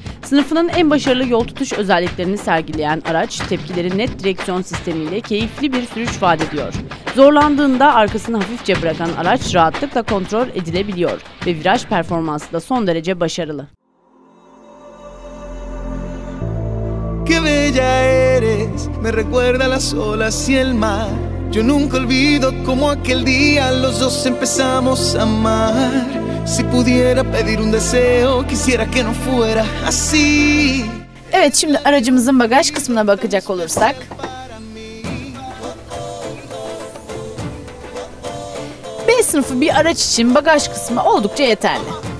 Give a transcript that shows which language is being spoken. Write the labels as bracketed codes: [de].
[tr] Sınıfının en başarılı yol tutuş özelliklerini sergileyen araç, tepkileri net direksiyon sistemiyle keyifli bir sürüş vaat ediyor. Zorlandığında arkasını hafifçe bırakan araç rahatlıkla kontrol edilebiliyor ve viraj performansı da son derece başarılı. [es] Que bella eres, me recuerda las olas y el mar. Yo nunca olvido cómo aquel día los dos empezamos a amar. Si pudiera pedir un deseo, quisiera que no fuera así. [tr] Evet, şimdi aracımızın bagaj kısmına bakacak olursak. B sınıfı bir araç için bagaj kısmı oldukça yeterli.